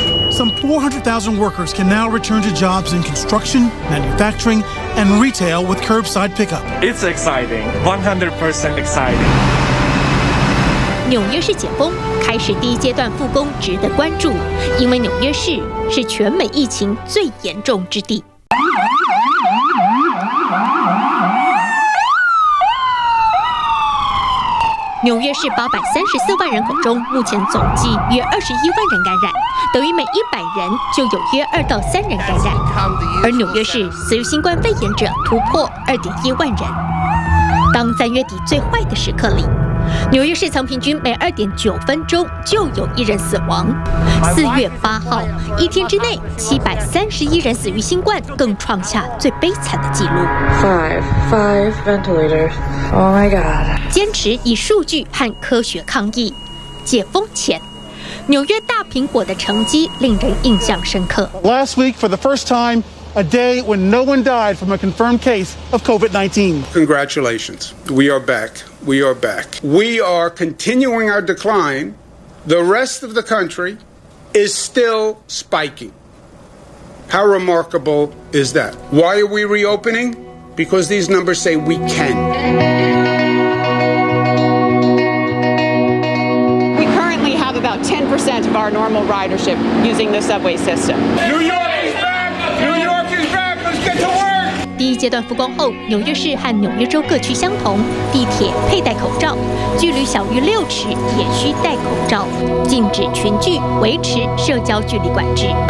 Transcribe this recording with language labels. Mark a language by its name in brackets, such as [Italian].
[English] Some 400,000 workers can now return to jobs in construction, manufacturing, and retail with curbside pickup. It's exciting, 100% exciting. [Chinese] 纽约市解封，开始第一阶段复工值得关注，因为纽约市是全美疫情最严重之地。纽约市834万人口中，目前总计约21万人感染，等于每100人就有约2到3人感染。而纽约市死于新冠肺炎者突破2.1万人。当3月底最坏的时刻里，纽约市曾平均每2.9分钟就有一人死亡。 4月8号，一天之内731人死于新冠，更创下最悲惨的记录。 [English] 5 ventilators. Oh my god. [Chinese] 坚持以数据和科学抗疫，解封前，纽约大苹果的成绩令人印象深刻。 [English] Last week, for the first time, a day when no one died from a confirmed case of COVID-19. Congratulations. We are back. We are back. We are continuing our decline. The rest of the country is still spiking. How remarkable is that? Why are we reopening? Because these numbers say we can. We currently have about 10% of our normal ridership using the subway system. New York is back! New York is back! Let's get to work! [Chinese] 第一阶段复工后，纽约市和纽约州各区相同，地铁佩戴口罩，距离小于6尺也需戴口罩，禁止群聚，维持社交距离管制。